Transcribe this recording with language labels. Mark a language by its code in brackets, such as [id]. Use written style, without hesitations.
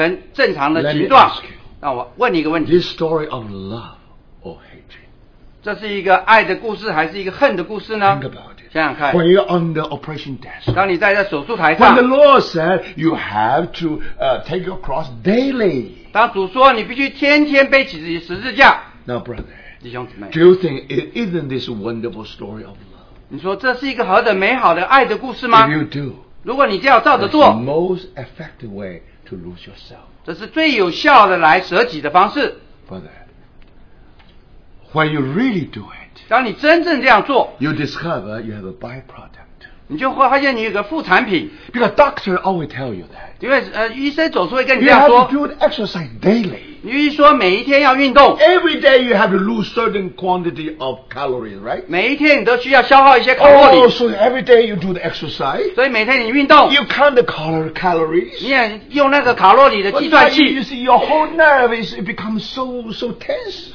[zh] 那你的整个身体就缩减成正常的形状。让我问你一个问题, [en] this story of love or hatred, [zh] 这是一个爱的故事还是一个恨的故事呢? [en] Think about it, [zh] 想想看, [en] when you're on the operation desk, [zh] 当你在手术台上, [en] when the Lord said you have to take your cross daily, [zh] 当主说你必须天天背起自己十字架。 [en] Now brother, [zh] 弟兄姊妹, [en] do you think it isn't this wonderful story of love? [zh] 你说这是一个何等美好的爱的故事吗? [en] If you do, [zh] 如果你这样照着做, [en] the most effective way to lose yourself, [zh] 这是最有效的来舍己的方式。 [en] Brother, when you really do it, [zh] 当你真正这样做, [en] you discover you have a byproduct. [zh] 你就会发现你有个副产品。 [en] Because doctor always tell you that, [zh] 因为医生总是会跟你这样说, [en] you have to do the exercise daily. [zh] 你一说每一天要运动, [en] every day you have to lose certain quantity of calories, right? [zh] 每一天你都需要消耗一些卡路里。 [en] Oh, so every day you do the exercise. [zh] 所以每天你运动, [en] you count the calories. [zh] 你也用那个卡路里的计算器。 [en] You see, your whole nerve becomes so tense.